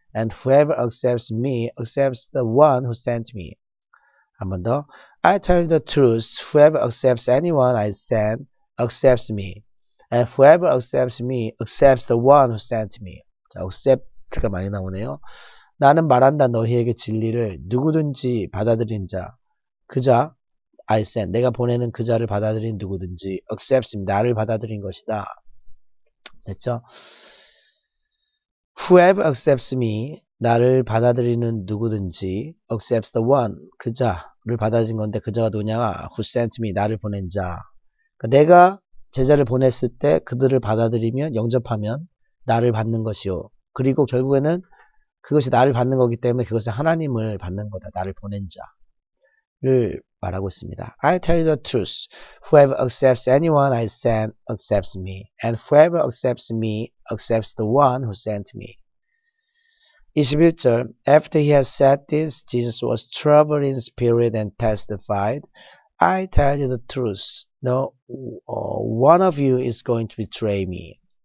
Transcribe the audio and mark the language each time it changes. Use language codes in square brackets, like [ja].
[en] And whoever accepts me accepts the one who sent me. [ko] 한번 더. [en] I tell you the truth. Whoever accepts anyone I send accepts me. And whoever accepts me accepts the one who sent me. [ko] 자, accept가 많이 나오네요. 나는 말한다, 너희에게 진리를. 누구든지 받아들인 자. 그자, [en] I send. [ko] 내가 보내는 그자를 받아들인 누구든지 [en] accepts me. [ko] 나를 받아들인 것이다. 됐죠? [en] Whoever accepts me, [ko] 나를 받아들이는 누구든지 [en] accepts the one, [ko] 그자를 받아들인 건데 그자가 누구냐? [en] Who sent me, [ko] 나를 보낸 자. 내가 제자를 보냈을 때 그들을 받아들이면, 영접하면 나를 받는 것이요. 그리고 결국에는 그것이 나를 받는 거기 때문에 그것은 하나님을 받는 거다. 나를 보낸 자를 말하고 있습니다. [en] I tell you the truth. Whoever accepts anyone I send accepts me. And whoever accepts me accepts the one who sent me. [ko] 21절. [en] After he had said this, Jesus was troubled in spirit and testified, I tell you the truth. No one of you is going to betray me.